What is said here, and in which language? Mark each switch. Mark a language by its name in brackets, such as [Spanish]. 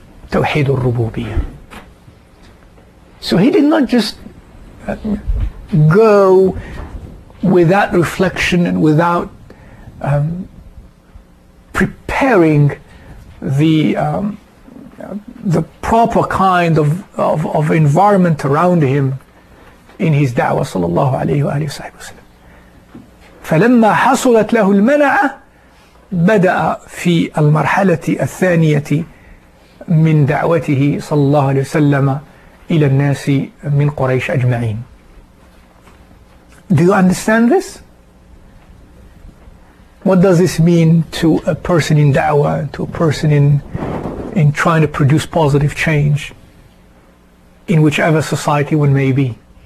[English] Tawheed al-Rububiyya. So he did not just go without reflection and without preparing the proper kind of environment around him in his da'wah sallallahu alayhi wa alayhi wa sallam. [Arabic] فلما حصلت له المنعة بدأ في المرحلة الثانية من دعوته صلى الله عليه وسلم إلى الناس من قريش أجمعين. [English] Do you understand this? What does this mean to a person in da'wah, to a person in trying to produce positive change in whichever society one may be?